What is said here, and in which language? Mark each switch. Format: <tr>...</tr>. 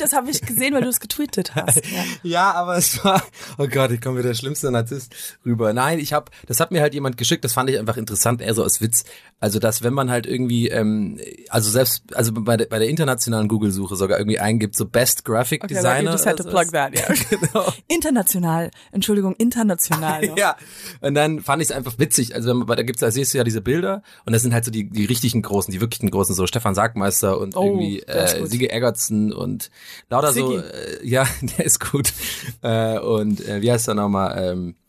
<de>Das habe ich gesehen, weil du es getweetet hast. Ja, aber es war, oh Gott, ich komme wieder der schlimmste Narzisst rüber. Nein, das hat mir halt jemand geschickt, das fand ich einfach interessant, eher so als Witz. Also, dass wenn man halt irgendwie, bei der internationalen Google-Suche sogar irgendwie eingibt, so</de> <en>Best Graphic Designer. Okay, like you just had to plug that, ja.</en> <de>Genau. International. Ja, und dann fand ich es einfach witzig. Also, da siehst du ja diese Bilder und das sind halt so die richtigen Großen, die wirklichen Großen, so Stefan Sagmeister und irgendwie Sigge Eggertsen und lauter Sigi. So. Ja, der ist gut. Wie heißt er nochmal?</de>